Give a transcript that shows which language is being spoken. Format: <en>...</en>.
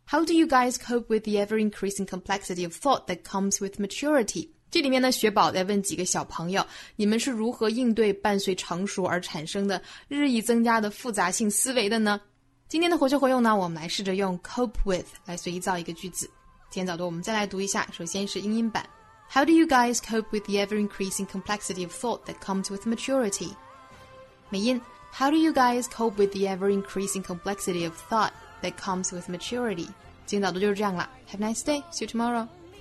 <en>How do you guys cope with the ever-increasing complexity of thought that comes with maturity?</en> <zh>这里面呢，雪宝在问几个小朋友，你们是如何应对伴随成熟而产生的日益增加的复杂性思维的呢？今天的活学活用呢，我们来试着用 cope with 来随意造一个句子。今天早读我们再来读一下，首先是英音版。</zh> <en>How do you guys cope with the ever-increasing complexity of thought that comes with maturity?</en> <zh>美音</zh> <en>How do you guys cope with the ever-increasing complexity of thought that comes with maturity?</en> <zh>今天早读就是这样了。</zh> <en>Have a nice day. See you tomorrow.</en>